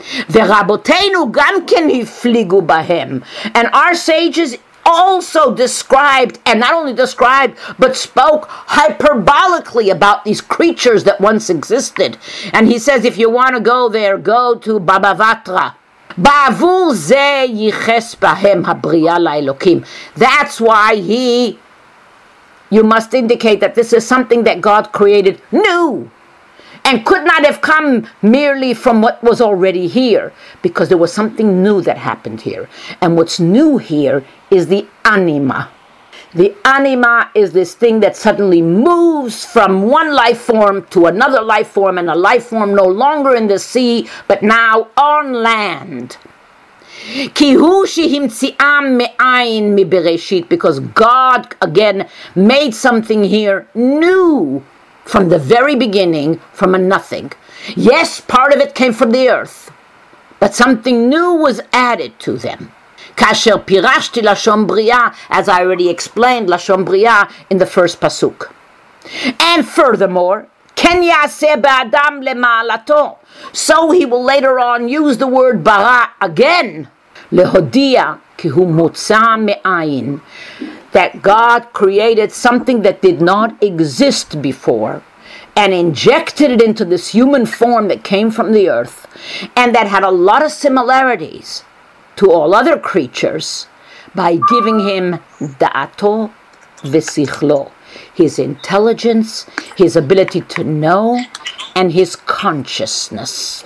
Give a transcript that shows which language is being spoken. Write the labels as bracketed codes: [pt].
[he] ורבותינו גם כן הפליגו בהם, [en] and our sages also described, and not only described, but spoke hyperbolically about these creatures that once existed. And he says, if you want to go there, go to Baba Vatra. [he] בעבור זה ייחס בהם הבריאה לאלוקים. [en] That's why he, you must indicate that this is something that God created new, and could not have come merely from what was already here, because there was something new that happened here. And what's new here is the anima. The anima is this thing that suddenly moves from one life form to another life form, and a life form no longer in the sea, but now on land. [he] כי הוא שהמציאם מאין מבראשית, [en] because God, again, made something here new, from the very beginning, from a nothing. Yes, part of it came from the earth, but something new was added to them. [he] כאשר פירשתי לשון בריאה, [en] as I already explained, לשון בריאה in the first pasuk. And furthermore, [he] כן יעשה באדם למעלתו. [en] So he will later on use the word ברא again, [he] להודיע כי הוא מוצא מאין, [en] that God created something that did not exist before and injected it into this human form that came from the earth and that had a lot of similarities to all other creatures by giving him da'ato v'sichlo, his intelligence, his ability to know, and his consciousness.